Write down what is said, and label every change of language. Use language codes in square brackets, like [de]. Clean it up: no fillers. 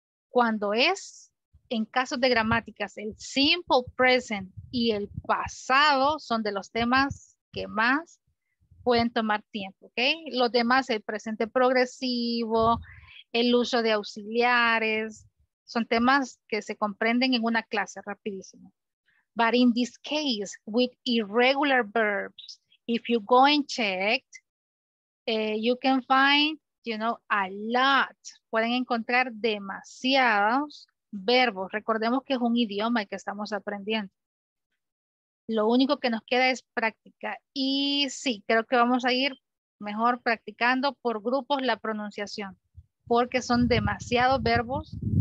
[es] Cuando es en casos de gramáticas, el simple present y el pasado son de los temas que más pueden tomar tiempo, ¿ok? Los demás, el presente progresivo, el uso de auxiliares, son temas que se comprenden en una clase rapidísimo. [en] But in this case, with irregular verbs, if you go and check, you can find, you know, a lot. [es] Pueden encontrar demasiados verbos. Recordemos que es un idioma que estamos aprendiendo. Lo único que nos queda es práctica. Y sí, creo que vamos a ir mejor practicando por grupos la pronunciación, porque son demasiados verbos.